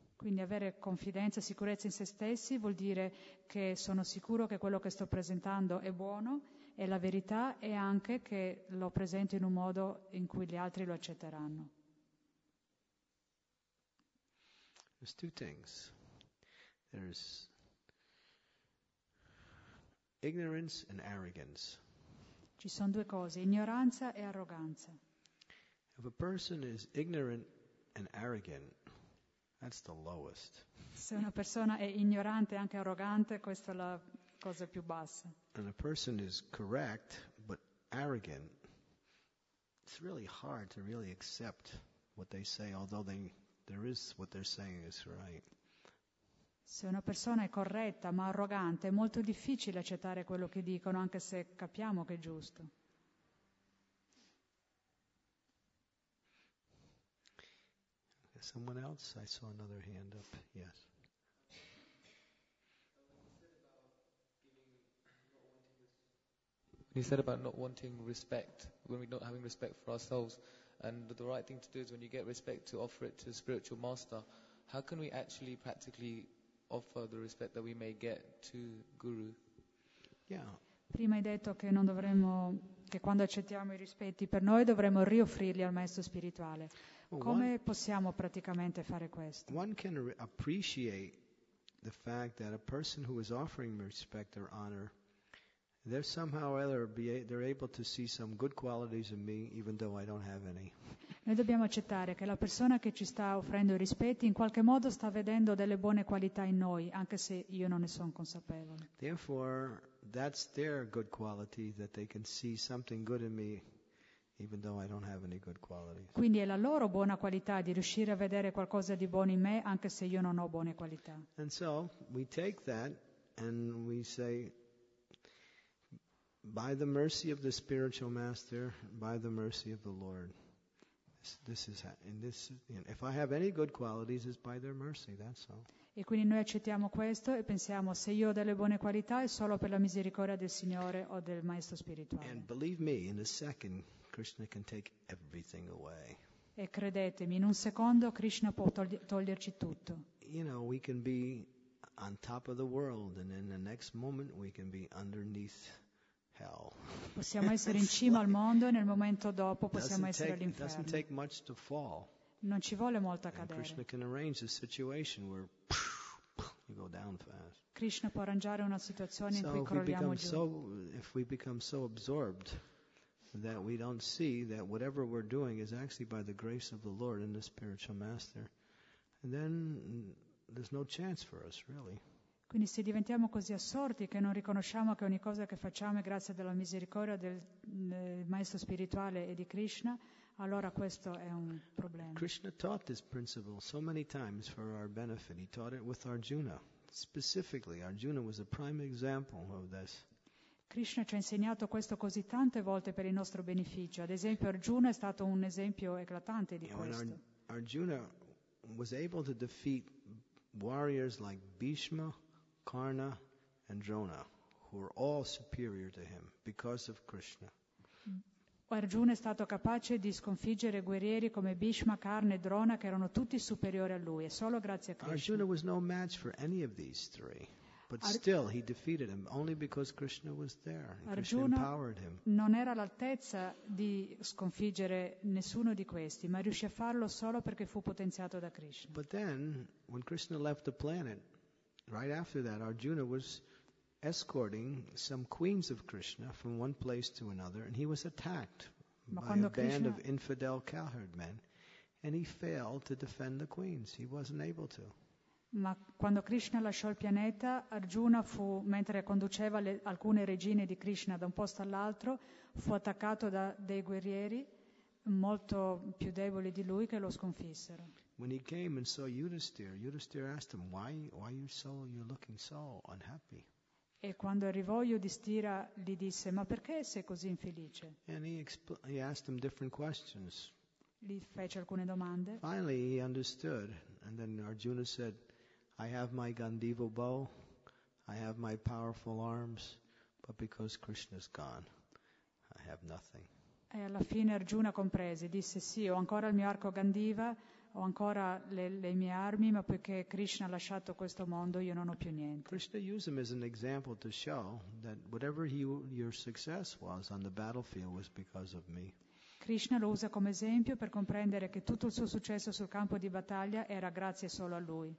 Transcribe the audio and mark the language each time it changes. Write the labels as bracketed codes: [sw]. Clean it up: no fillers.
[it] Quindi avere confidenza, sicurezza in se stessi vuol dire che sono sicuro che quello che sto presentando è buono, è la verità, e anche che lo presento in un modo in cui gli altri lo accetteranno. [en] There's two things. There's ignorance and arrogance. [it] Ci sono due cose, ignoranza e arroganza. [en] If a person is ignorant and arrogant, that's the lowest. [it] Se una persona è ignorante e anche arrogante, questa è la cosa più bassa. [en] And a person is correct but arrogant, it's really hard to really accept what they say, although they there is what they're saying is right. [it] Se una persona è corretta ma arrogante, è molto difficile accettare quello che dicono, anche se capiamo che è giusto. [en] Someone else? I saw another hand up. Yes. He said about not wanting respect, when we're not having respect for ourselves, and the right thing to do is when you get respect to offer it to a spiritual master. How can we actually practically offer the respect that we may get to Guru? Yeah. [it] Prima hai detto che non dovremmo, che quando accettiamo i rispetti per noi dovremmo rioffrirli al maestro spirituale. Come possiamo praticamente fare questo? [en] One can appreciate the fact that a person who is offering respect or honor, they're somehow or other they're able to see some good qualities in me, even though I don't have any. [it] Noi dobbiamo accettare che la persona che ci sta offrendo i rispetti in qualche modo sta vedendo delle buone qualità in noi, anche se io non ne sono consapevole. [en] Therefore, that's their good quality, that they can see something good in me, even though I don't have any good qualities. [it] Quindi è la loro buona qualità di riuscire a vedere qualcosa di buono in me, anche se io non ho buone qualità. [en] And so we take that and we say, by the mercy of the spiritual master, by the mercy of the Lord, this is, you know, if I have any good qualities, it's by their mercy. That's all. [it] E quindi noi accettiamo questo e pensiamo, se io ho delle buone qualità è solo per la misericordia del Signore o del maestro spirituale. [en] And believe me, in a second, Krishna can take everything away. [it] E credetemi, in un secondo Krishna può toglierci tutto. [en] You know, we can be on top of the world, and in the next moment we can be underneath hell. [it] Possiamo essere in cima al mondo e nel momento dopo possiamo essere all'inferno. [en] Doesn't take much to fall. [it] Non ci vuole molto a cadere. [en] Krishna can arrange a situation where you go down fast. [it] Krishna può arrangiare una situazione in cui crolliamo giù. [en] So if we become so absorbed that we don't see that whatever we're doing is actually by the grace of the Lord and the spiritual master, and then there's no chance for us, really. [it] Quindi se diventiamo così assorti che non riconosciamo che ogni cosa che facciamo è grazie della misericordia del maestro spirituale e di Krishna, allora questo è un problema. [en] Krishna taught this principle so many times for our benefit. He taught it with Arjuna. Specifically, Arjuna was a prime example of this. [it] Krishna ci ha insegnato questo così tante volte per il nostro beneficio. Ad esempio, Arjuna è stato un esempio eclatante di questo. [en] Arjuna was able to defeat warriors like Bhishma, Karna and Drona, who are all superior to him because of Krishna. [it] Arjuna è stato capace di sconfiggere guerrieri come Bhishma, Karna e Drona, che erano tutti superiori a lui, e solo grazie a Krishna. [en] Arjuna was no match for any of these three. But still, he defeated him only because Krishna was there. Arjuna empowered him. [it] Non era all'altezza di sconfiggere nessuno di questi, ma riuscì a farlo solo perché fu potenziato da Krishna. [en] But then, when Krishna left the planet, right after that, Arjuna was escorting some queens of Krishna from one place to another, and he was attacked by a band of infidel cowherd men, and he failed to defend the queens. He wasn't able to. [it] Ma quando Krishna lasciò il pianeta, Arjuna fu, mentre conduceva alcune regine di Krishna da un posto all'altro, fu attaccato da dei guerrieri, molto più deboli di lui che lo sconfissero. [en] When he came and saw Yudhisthira, Yudhisthira asked him, why you're looking so unhappy? [it] E quando arrivò Yudhisthira gli disse, ma perché sei così infelice? [en] And he asked him different questions. [it] Gli fece alcune domande. [en] Finally he understood, and then Arjuna said, I have my Gandiva bow, I have my powerful arms, but because Krishna's gone, I have nothing. [it] E alla fine Arjuna comprese, disse, sì, ho ancora il mio arco Gandiva, ho ancora le mie armi, ma poiché Krishna ha lasciato questo mondo, io non ho più niente. [en] Krishna used him as an example to show that whatever your success was on the battlefield was because of me. [it] Krishna lo usa come esempio per comprendere che tutto il suo successo sul campo di battaglia era grazie solo a lui.